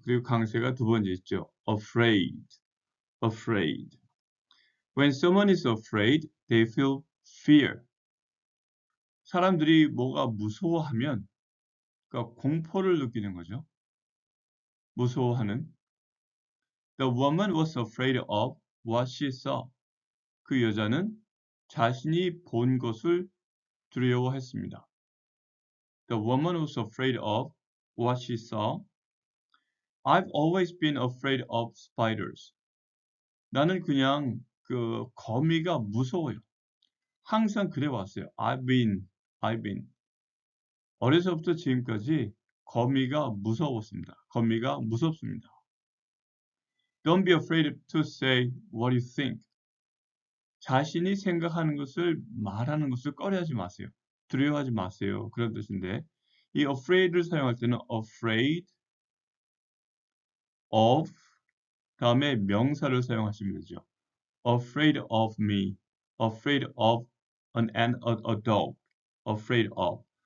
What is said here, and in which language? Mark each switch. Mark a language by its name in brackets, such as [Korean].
[Korean] 그리고 강세가 두 번째 있죠. [English] afraid, afraid. When someone is afraid, they feel fear. [Korean] 사람들이 뭐가 무서워하면, 그러니까 공포를 느끼는 거죠. 무서워하는. [English] The woman was afraid of what she saw. [Korean] 그 여자는 자신이 본 것을 두려워했습니다. [English] The woman was afraid of what she saw. I've always been afraid of spiders. [Korean] 나는 그냥 그 거미가 무서워요. 항상 그래 왔어요. [English] I've been. [Korean] 어려서부터 지금까지 거미가 무서웠습니다. 거미가 무섭습니다. [English] Don't be afraid to say what you think. [Korean] 자신이 생각하는 것을 말하는 것을 꺼려하지 마세요. 두려워하지 마세요. 그런 뜻인데, 이 afraid를 사용할 때는 afraid of, 다음에 명사를 사용하시면 되죠. [English] afraid of me, afraid of a dog, afraid of.